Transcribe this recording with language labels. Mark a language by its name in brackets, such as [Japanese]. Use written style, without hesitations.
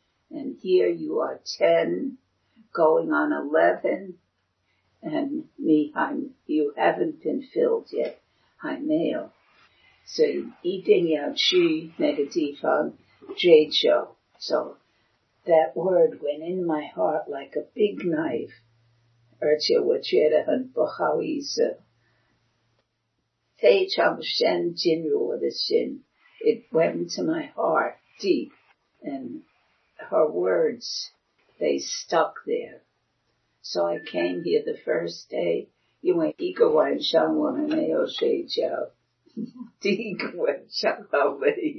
[English] And here you are 10, going on 11, and me, you haven't been filled yet. I know. [Chinese] So, 一定要去那个地方追求. [English] So, that word went in my heart like a big knife. [Chinese] 而且我觉得很不好意思,非常深进入我的心. [English] It went into my heart, deep, and her words, they stuck there. So I came here the first day, [Chinese] 因为一个晚上我们没有睡觉,第一个晚上我们